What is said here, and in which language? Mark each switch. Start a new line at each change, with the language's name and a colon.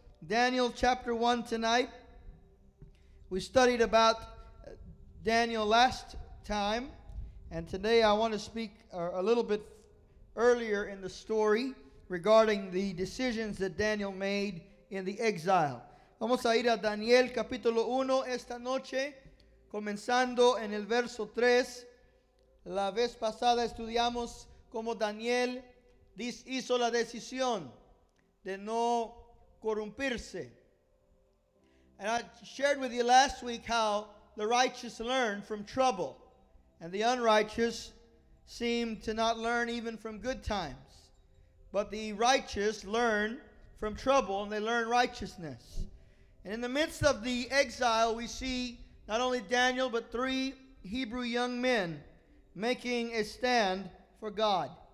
English: Daniel chapter 1 tonight. We studied about Daniel last time. And today I want to speak a little bit earlier in the story regarding the decisions that Daniel made in the exile.
Spanish: Vamos a ir a Daniel capítulo 1 esta noche, comenzando en el verso 3. La vez pasada estudiamos cómo Daniel hizo la decisión de no corrompirse.
English: And I shared with you last week how the righteous learn from trouble, and the unrighteous seem to not learn even from good times. But the righteous learn from trouble, and they learn righteousness. And in the midst of the exile, we see not only Daniel, but three Hebrew young men making a stand for God.